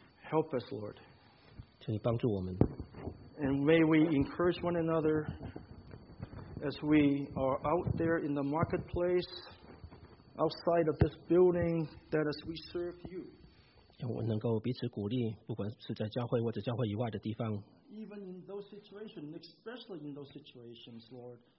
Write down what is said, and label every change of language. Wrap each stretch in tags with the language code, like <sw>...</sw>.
<en>Help us, Lord.</en> <zh>求你帮助我们。</zh> <en>And may we encourage one another as we are out there in the marketplace, outside of this building, that as we serve you.</en> <zh>让我们能够彼此鼓励，不管是在教会或者教会以外的地方。</zh> <en>Even in those situations, especially in those situations, Lord.</en>